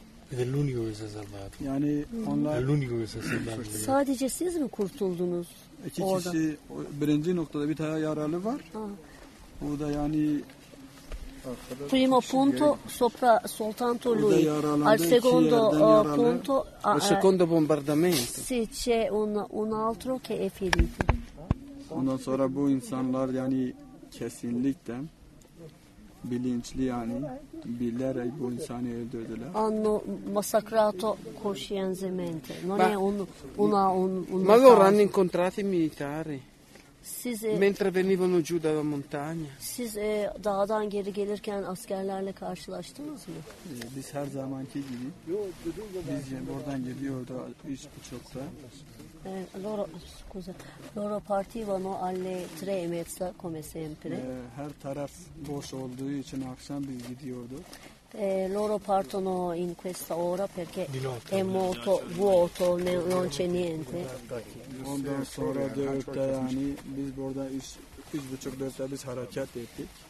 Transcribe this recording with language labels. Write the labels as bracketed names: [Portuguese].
[Italian] Ed è l'unico che si è salvato. [Turkish] Yani [Italian] è l'unico che si è salvato. [Turkish] Sadece siz mi kurtuldunuz? İki kişi, birinci noktada bir tane yaralı var. Bu da yani [Italian] primo punto sopra soltanto lui, al secondo punto al secondo bombardamento. Sì, c'è un altro che è ferito. [Turkish] Ondan sonra bu insanlar yani kesinlikle bilinçli yani bilerek bu insanı öldürdüler. [Italian] Hanno massacrato coscientemente. Non è un ma loro hanno incontrato i militari. Mentre venivano giù dalla montagna. [Turkish] Siz dağdan geri gelirken askerlerle karşılaştınız mı? Biz her zamanki gibi. Biz yani oradan geliyordu 3:30'da. [Italian] Loro partivano alle 3 e mezza come sempre. [Turkish] Her taraf boş olduğu için akşam biz gidiyorduk. [Italian] Loro partono in questa ora perché è molto vuoto, non c'è niente. [Turkish] Ondan sonra 4'te yani biz burada 3:30-4'te biz hareket ettik.